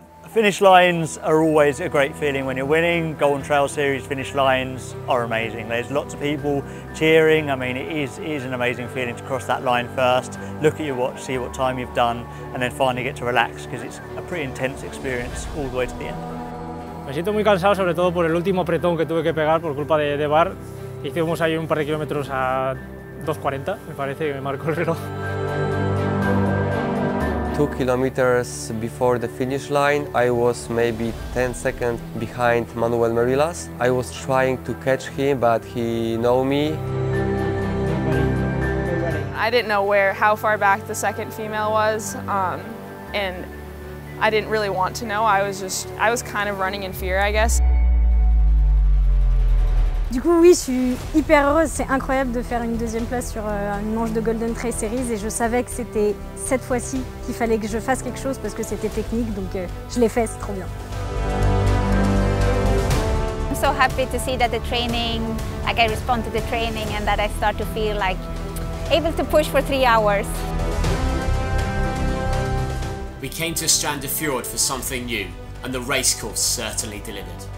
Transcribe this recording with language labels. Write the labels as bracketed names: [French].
[English] Finish lines are always a great feeling when you're winning. Golden Trail Series finish lines are amazing. There's lots of people cheering. I mean, it is an amazing feeling to cross that line first, look at your watch, see what time you've done, and then finally get to relax, because it's a pretty intense experience all the way to the end. [Spanish] Me siento muy cansado, sobre todo por el último apretón que tuve que pegar por culpa de Bar. Hicimos ahí un par de kilómetros a 2:40, me parece, que me marcó el reloj. [English] 2 kilometers before the finish line, I was maybe 10 seconds behind Manuel Merilas. I was trying to catch him, but he knew me. I didn't know how far back the second female was, and I didn't really want to know. I was kind of running in fear, I guess. [French] Du coup, oui, je suis hyper heureuse. C'est incroyable de faire une deuxième place sur une manche de Golden Trail Series. Et je savais que c'était cette fois-ci qu'il fallait que je fasse quelque chose parce que c'était technique. Donc je l'ai fait, c'est trop bien. [English] I'm so happy to see that the training, like I respond to the training and that I start to feel like able to push for 3 hours. We came to Stranda Fjord for something new, and the race course certainly delivered.